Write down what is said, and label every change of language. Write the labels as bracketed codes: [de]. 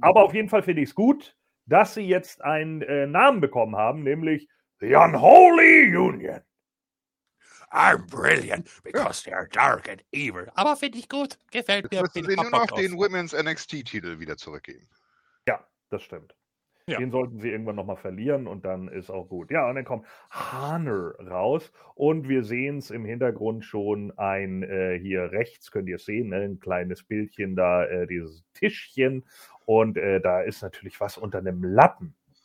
[de] Aber auf jeden Fall finde ich es gut, dass sie jetzt einen Namen bekommen haben, nämlich The Unholy Union. [en] I'm brilliant because they're dark and evil. [de] Aber finde ich gut, gefällt mir. Jetzt müssen sie nur noch den Women's NXT-Titel wieder zurückgeben. Ja, das stimmt. Ja. Den sollten sie irgendwann nochmal verlieren und dann ist auch gut. Ja, und dann kommt Hanner raus und wir sehen es im Hintergrund schon ein, hier rechts könnt ihr es sehen, ne, ein kleines Bildchen da, dieses Tischchen und da ist natürlich was unter einem Lappen.